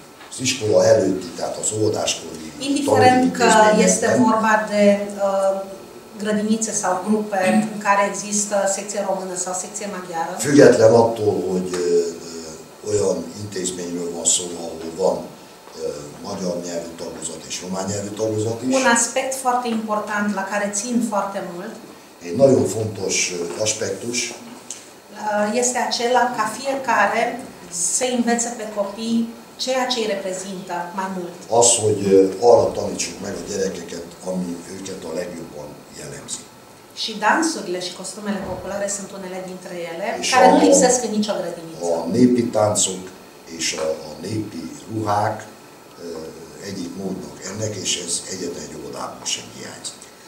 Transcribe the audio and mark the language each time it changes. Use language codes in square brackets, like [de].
[hu] Az iskola előtti, tehát az óvodáskori. [ro] Indiferent că este vorba de grădinițe sau grupe în care există secție română sau secție maghiară. [hu] Független attól, hogy olyan intézményről van szó, ahol van magyar nyelvű tagozat és román nyelvű tagozat is. [ro] Un aspect foarte important, la care țin foarte mult. [hu] Egy nagyon fontos aspektus. [ro] Este acela ca fiecare să învețe pe copii ceea ce îi reprezintă mai mult. [hu] Az, hogy arra tanítsuk meg a gyerekeket, ami őket a legjobban jellemzi. [ro] Și dansurile și costumele populare sunt unele dintre ele, és care nu lipsesc în nicio grădiniță. [hu] A népi táncok és a népi ruhák egyik módnak ennek, és ez egyetlen egy óvodában sem hiányzik.